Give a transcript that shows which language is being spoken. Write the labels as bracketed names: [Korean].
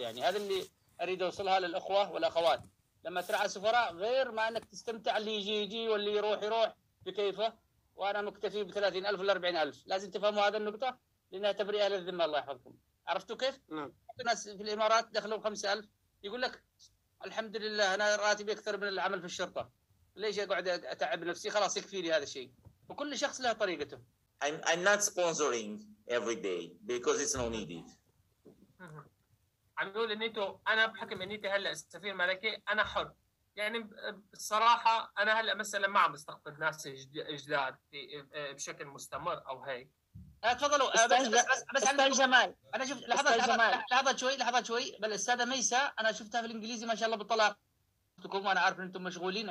[Arabic] يعني هذا اللي أريد أوصلها للأخوة والأخوات، لما ترعى سفراء غير ما أنك تستمتع، اللي يجي يجي واللي يروح يروح بكيفه، وأنا مكتفي ب30,000 ل40,000. لازم تفهموا هذه النقطة، لأنها تبرئة للذمة الله يحفظكم. عرفتوا كيف؟ نعم. الناس في الإمارات دخلوا 5,000، يقول لك الحمد لله أنا راتبي أكثر من العمل في الشرطة، ليش أقعد أتعب نفسي، خلاص يكفيني هذا الشيء. وكل شخص له طريقته. [English] I'm not sponsoring every day because it's not needed. [Arabic] عم يقول نيتو، أنا بحكم نيتي هلأ السفير ملكي أنا حر، يعني بصراحة أنا هلأ مثلا ما عم استقطب ناس جداد بشكل مستمر أو هيك. تفضلوا بس استاذ جمال، انا شفت لحظه شوي بالاستاذه ميساء، انا شفتها في الانجليزي ما شاء الله بطلاقتكم، وانا عارف ان انتم مشغولين.